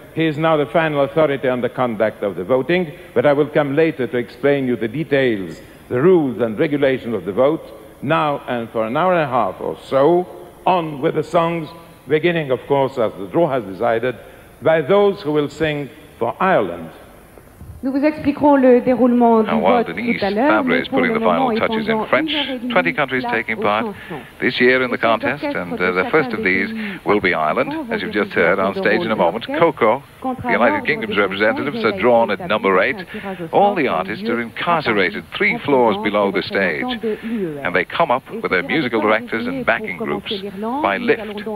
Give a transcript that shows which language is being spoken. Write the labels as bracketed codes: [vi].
[en] He is now the final authority on the conduct of the voting, but I will come later to explain you the details, the rules and regulations of the vote, now and for an hour and a half or so, on with the songs, beginning, of course, as the draw has decided, by those who will sing for Ireland. [fr] Nous vous expliquerons le déroulement du vote tout à l'heure. [en] While Denise Fabre is putting the final touches in French, 20 countries taking part this year in the contest, and the first of these will be Ireland, as you've just heard, on stage in a moment. Coco, the United Kingdom's representatives, are drawn at number 8. All the artists are incarcerated 3 floors below the stage, and they come up with their musical directors and backing groups by lift.